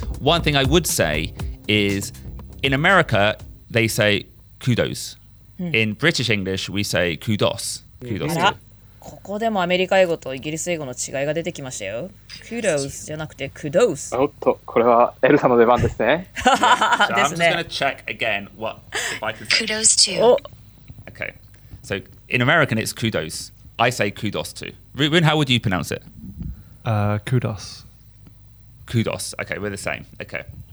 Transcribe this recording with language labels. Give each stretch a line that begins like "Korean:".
English: One thing I would say is in America, they say kudos. In British English, we say kudos. Kudos.
Japanese: ここでもアメリカ英語とイギリス英語の違いが出てきましたよ。 Kudos じゃなくて kudos。おっと、これはエルさんの出番ですね。ですね。
English: I'm just going to check again what if I can say. Kudos to. Okay. So in American, it's kudos. I say kudos to. Ruben, how would you pronounce it? Kudos. Kudos. Okay, we're the same. Okay.